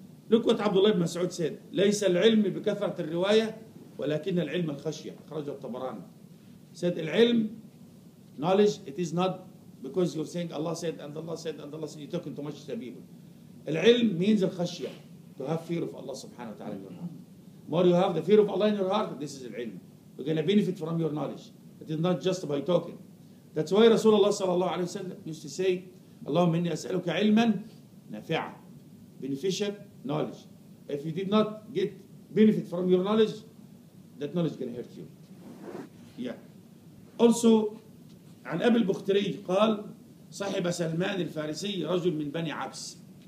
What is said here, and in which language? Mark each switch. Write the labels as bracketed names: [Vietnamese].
[Arabic] نكوة عبد الله بن مسعود سيد: ليس العلم بكثرة الرواية ولكن العلم الخشية، أخرجه الطبراني. سيد العلم [English] knowledge it is not because you're saying Allah said and Allah said and Allah said you talking too much to people. العلم means الخشية، to have fear of Allah [Arabic] سبحانه وتعالى. [English] More you have the fear of Allah in your heart, this is العلم. You're gonna benefit from your knowledge. It is not just by talking. That's why رسول الله صلى الله عليه وسلم used to say [Arabic] اللهم إني أسألك علما نافعا، [English] beneficial knowledge. If you did not get benefit from your knowledge, that knowledge is gonna hurt you. Yeah. [Arabic] Also عن أبي البختري قال: صاحب سلمان الفارسي رجل من بني عبس.